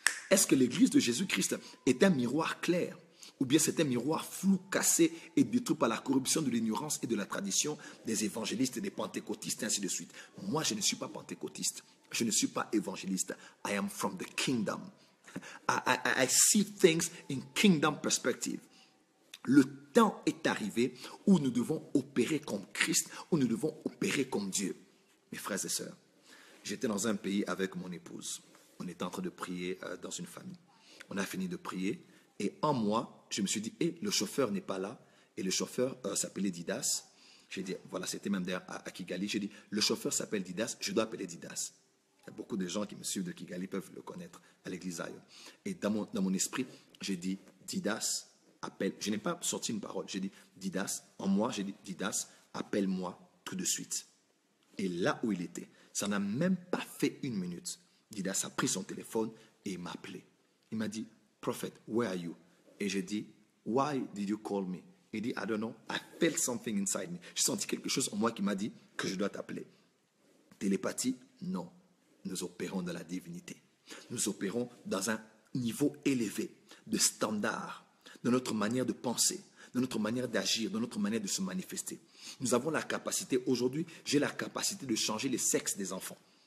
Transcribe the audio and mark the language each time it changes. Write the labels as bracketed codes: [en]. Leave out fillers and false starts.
[fr] Est-ce que l'Église de Jésus-Christ est un miroir clair? Ou bien c'est un miroir flou, cassé et détruit par la corruption de l'ignorance et de la tradition des évangélistes et des pentecôtistes, ainsi de suite. Moi, je ne suis pas pentecôtiste. Je ne suis pas évangéliste. [en] I am from the kingdom. I see things in kingdom perspective. [fr] Le temps est arrivé où nous devons opérer comme Christ, où nous devons opérer comme Dieu. Mes frères et sœurs, j'étais dans un pays avec mon épouse. On était en train de prier dans une famille. On a fini de prier et en moi, je me suis dit, le chauffeur n'est pas là. Et le chauffeur s'appelait Didas. J'ai dit, voilà, c'était même d'ailleurs à Kigali. J'ai dit, le chauffeur s'appelle Didas, je dois appeler Didas. Il y a beaucoup de gens qui me suivent de Kigali peuvent le connaître à l'église Zion. Et dans mon esprit, j'ai dit, Didas, appelle. Je n'ai pas sorti une parole. J'ai dit, Didas, en moi, j'ai dit, Didas, appelle-moi tout de suite. Et là où il était, ça n'a même pas fait une minute. Didas a pris son téléphone et il m'a appelé. Il m'a dit, prophète, [en] where are you? [fr] Et j'ai dit, [en] why did you call me? [fr] Il dit, [en] I don't know, I felt something inside me. [fr] J'ai senti quelque chose en moi qui m'a dit que je dois t'appeler. Télépathie? Non. Nous opérons dans la divinité. Nous opérons dans un niveau élevé de standard, de notre manière de penser, de notre manière d'agir, de notre manière de se manifester. Nous avons la capacité, aujourd'hui, j'ai la capacité de changer les sexes des enfants.